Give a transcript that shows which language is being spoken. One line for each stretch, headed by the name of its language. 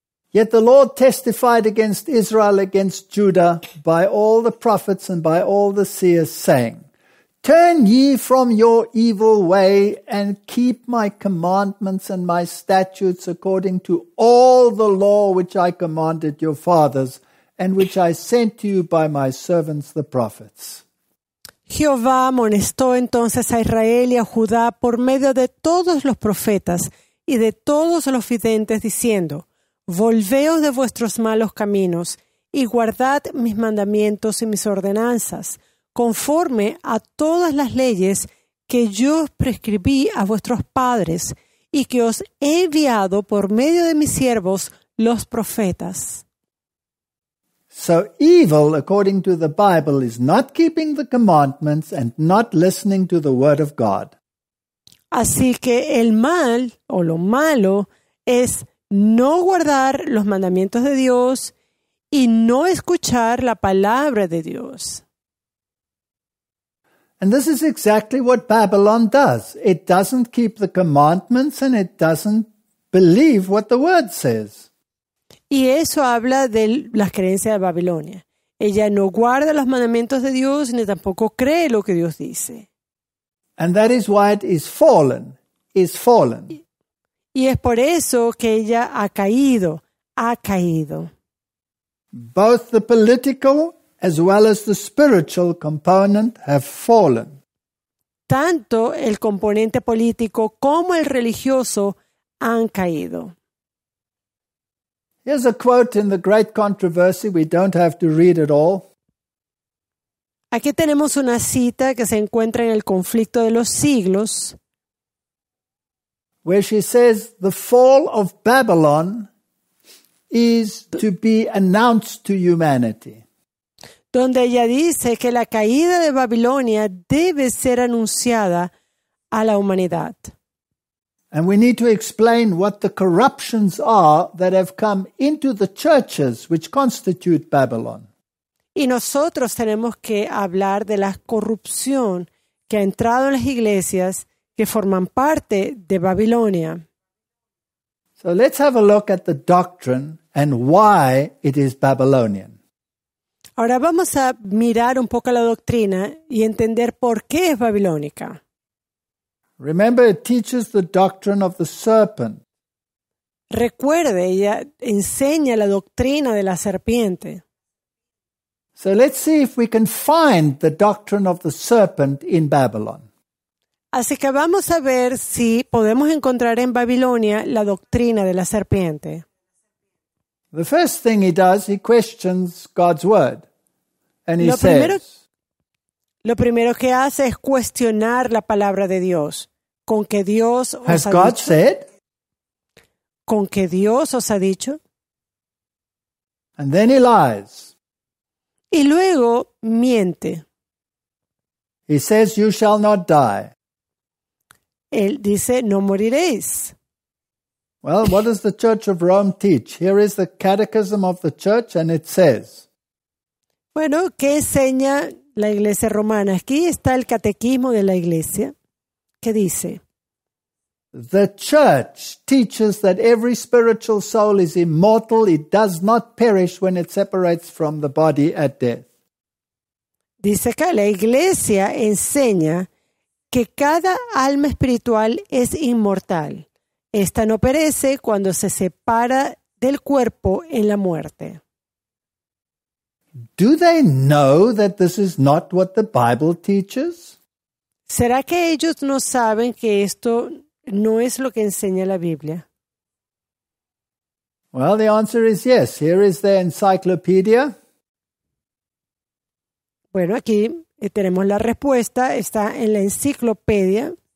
English: Yet the Lord testified against Israel, against Judah, by all the prophets and by all the seers, saying, "Turn ye from your evil way and keep my commandments and my statutes according to all the law which I commanded your fathers and which I sent to you by my servants the prophets."
Spanish: Jehová amonestó entonces a Israel y a Judá por medio de todos los profetas y de todos los videntes, diciendo, "Volveos de vuestros malos caminos y guardad mis mandamientos y mis ordenanzas, conforme a todas las leyes que yo prescribí a vuestros padres y que os he enviado por medio de mis siervos, los profetas."
English: So evil, according to the Bible, is not keeping the commandments and not listening to the word of God.
Spanish: Así que el mal, o lo malo, es no guardar los mandamientos de Dios y no escuchar la palabra de Dios.
English: And this is exactly what Babylon does. It doesn't keep the commandments and it doesn't believe what the word says.
Spanish: Y eso habla de las creencias de Babilonia. Ella no guarda los mandamientos de Dios ni tampoco cree lo que Dios dice.
English: And that is why it is fallen.
Spanish: Y es por eso que ella ha caído, ha caído.
English: Both the political as well as the spiritual component have fallen.
Spanish: Tanto el componente político como el religioso han caído.
English: Here's a quote in the Great Controversy. We don't have to read it all.
Spanish: Aquí tenemos una cita que se encuentra en el conflicto de los siglos,
English: where she says the fall of Babylon is to be announced to humanity.
Spanish: Donde ella dice que la caída de Babilonia debe ser anunciada a la humanidad.
English: And we need to explain what the corruptions are that have come into the churches which constitute Babylon.
Spanish: Y nosotros tenemos que hablar de la corrupción que ha entrado en las iglesias que forman parte de Babilonia.
English: So let's have a look at the doctrine and why it is Babylonian.
Spanish: Ahora vamos a mirar un poco la doctrina y entender por qué es babilónica.
English: Remember, it teaches the doctrine of the serpent.
Spanish: Recuerde, ella enseña la doctrina de la serpiente.
English: So let's see if we can find the doctrine of the serpent in Babylon.
Spanish: Así que vamos a ver si podemos encontrar en Babilonia la doctrina de la serpiente.
English: The first thing he does, he questions God's word. And he
Spanish: lo primero que hace es cuestionar la palabra de Dios. ¿Con qué Dios os has ha
English: God
Spanish: dicho?
English: Said?
Spanish: ¿Con qué Dios os ha dicho?
English: And then he lies.
Spanish: Y luego miente.
English: He says, you shall not die.
Spanish: Él dice, no moriréis.
English: Well, what does the Church of Rome teach? Here is the Catechism of the Church, and it says.
Spanish: Bueno, ¿qué enseña la Iglesia Romana? Aquí está el Catequismo de la Iglesia. ¿Qué dice?
English: The Church teaches that every spiritual soul is immortal. It does not perish when it separates from the body at death.
Spanish: Dice acá, la Iglesia enseña que cada alma espiritual es inmortal. Esta no perece cuando se separa del cuerpo en la muerte.
English: Do they know that this is not what the Bible teaches?
Spanish: ¿Será que ellos no saben que esto no es lo que enseña la Biblia?
English: Well, the answer is yes. Here is the encyclopedia.
Spanish: Bueno, aquí tenemos la respuesta. Está en la enciclopedia.